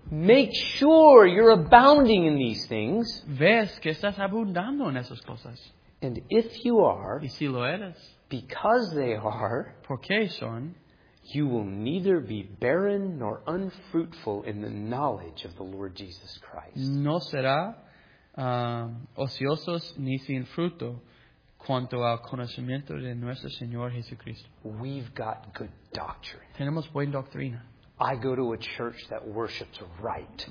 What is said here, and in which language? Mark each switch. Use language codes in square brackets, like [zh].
[en] Make sure you're abounding in these things. [es] Ves que estás abundando en esas cosas. [en] And if you are, [es] y si lo eres, [en] because they are, [es] porque son, [en] you will neither be barren nor unfruitful in the knowledge of the Lord Jesus Christ. [es] No será ociosos ni sin fruto cuanto al conocimiento de nuestro Señor Jesucristo. [en] We've got good doctrine. [es] Tenemos buena doctrina. [en] I go to a church that worships right.